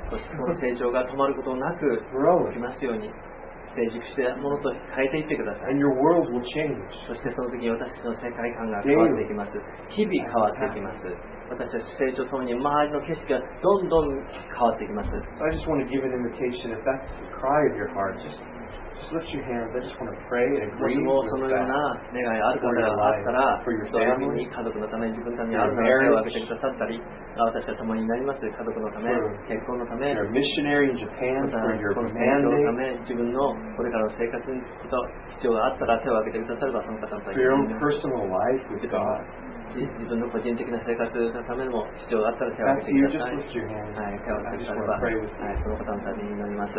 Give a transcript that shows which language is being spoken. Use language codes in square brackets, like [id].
[ja] そしてその成長が止まることなく行きますように成熟したものと変えていってください。 [en] And your world will change. [ja] そしてその時に私たちの世界観が変わっていきます。日々変わっていきます。私たち成長ともに周りの景色がどんどん変わっていきます。 [en] So、I just want to give an invitation. If that's the cry of your heart, just lift your hands. I just want to pray and agree with [ja] God. もしもそのような願いがある方があったら、そういうふうに家族のために自分のためにあるならを挙げてくださったり、私は共になります。家族のため、結婚のため、 [en] your missionary in Japan, [ja] またこの成長のため、自分のこれからの生活にこと必要があったら手を挙げてくださればその方のために [en] For your own personal life with God. [ja] 自分の個人的な生活のためにも必要があったら手を挙げてください。はい、手を挙げてください。その方のためになります。